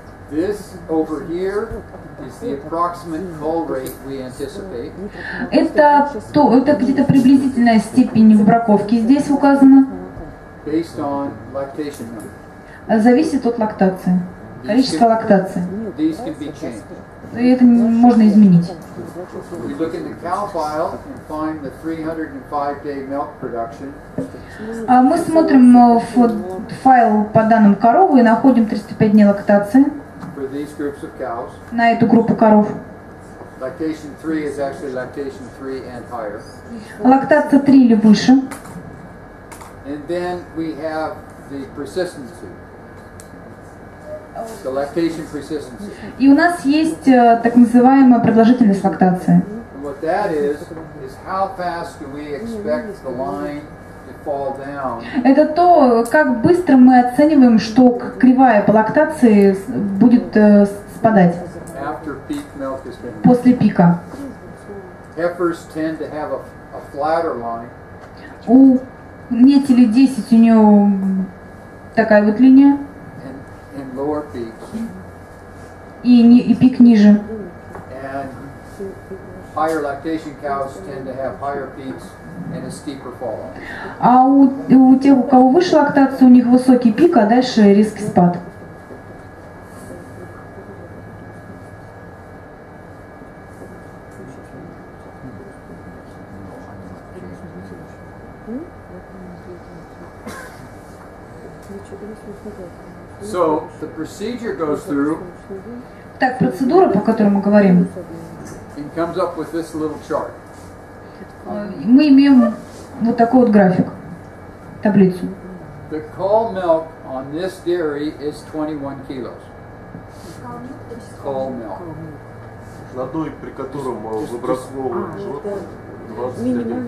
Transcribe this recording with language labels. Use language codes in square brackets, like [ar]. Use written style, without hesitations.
[en] This over here is the approximate call rate we anticipate. [ru] Это где-то приблизительная степень выбраковки здесь указана. [en] Based on lactation number. [ru] Зависит от лактации, количества лактации. [en] These can be changed. [ru] И это можно изменить. [en] We look in the cow file and find the 305-day milk production. [ru] Мы смотрим в файл по данным коровы и находим 305 дней лактации [en] for these groups of cows. [ru] На эту группу коров. [en] Lactation 3 is actually lactation 3 and higher. [ru] Лактация 3 или выше. [en] And then we have the persistency. The lactation persistency. [ru] И у нас есть так называемая продолжительность лактации. [en] What that is how fast do we expect the line to fall down? [ru] Это то, как быстро мы оцениваем, что кривая по лактации будет спадать. [en] After peak milk has been. [ru] После пика. [en] Heifers tend to have a flatter line. [ru] У нетели 10 у нее такая вот линия. [en] And lower peaks. [ru] И пик ниже. [en] And higher lactation cows tend to have higher peaks and a steeper fall. [ru] А у тех, у кого выше лактация, у них высокий пик, а дальше резкий спад. [en] So the procedure goes through. [ru] Так процедура, по которой мы говорим. [en] It comes up with this little chart. [ru] Мы имеем вот такой вот график, таблицу. [en] The cull milk on this dairy is 21 kilos. Cull milk. [ru] Надой, при котором выбрасывают животные, 21